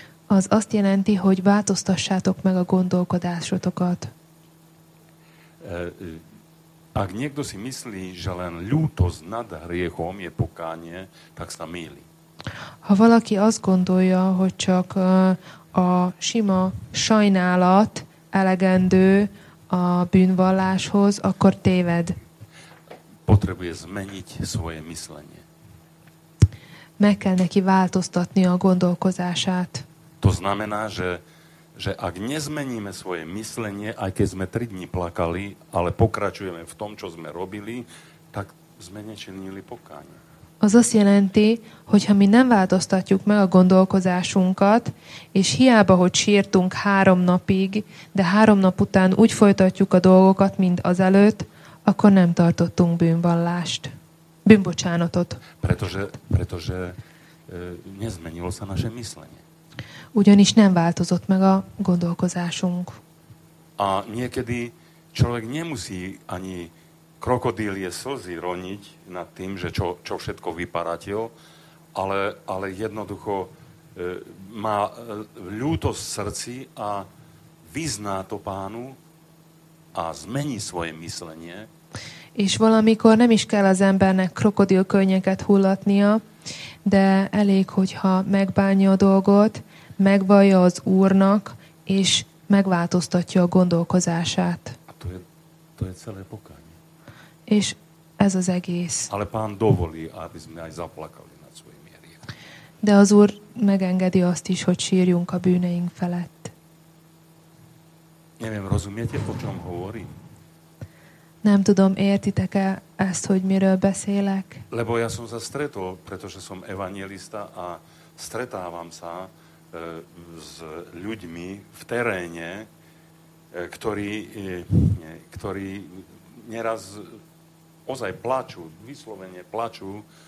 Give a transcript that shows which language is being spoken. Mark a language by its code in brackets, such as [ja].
[hu] Az azt jelenti, hogy változtassátok meg a gondolkodásotokat. [sk] Ak niekto si myslí, že len ľútosť nad hriechom je pokánie, tak sa mýli. [hu] Ha valaki azt gondolja, hogy csak a sima sajnálat elegendő a bűnvalláshoz, akkor téved. [sk] Potrebuje zmeniť svoje myslenie. [hu] Meg kell neki változtatni a gondolkozását. [sk] To znamená, že ak nezmeníme svoje myslenie, aj keď sme 3 dni plakali, ale pokračujeme v tom, čo sme robili, tak sme nečinili pokánie. [hu] Az azt jelenti, hogy ha mi nem változtatjuk meg a gondolkozásunkat, és hiába, hogy sírtunk 3 napig, de 3 nap után úgy folytatjuk a dolgokat, mint azelőtt, akkor nem tartottunk bűnvallást, bűnbocsánatot. [sk] Pretože nezmenilo sa naše myslenie. [hu] Ugyanis nem változott meg a gondolkozásunk. [sk] A niekedy človek nemusí ani krokodílie slzy roniť nad tým, že čo všetko vyparatil, ale jednoducho má ľútosť v srdci a vyzná to Pánu a zmení svoje myslenie. [hu] És valamikor nem is kell az embernek krokodilkönnyeket hullatnia, de elég, hogyha megbánja a dolgot, megvallja az Úrnak, és megváltoztatja a gondolkozását. [sk] A to je celé pokánie. [hu] És ez az egész. [sk] Ale Pán dovolí, aby sme aj zaplakali nad svojimi hriechmi. [hu] De az Úr megengedi azt is, hogy sírjunk a bűneink felett. [sk] Neviem, rozumiete, o čom hovorím? [hu] Nem tudom, értitek-e ezt, hogy miről beszélek? [sk] Lebo ja som sa stretol, pretože som evangelista a stretávam sa s ľuďmi v teréne, ktorí neraz ozaj plačú, vyslovene plačú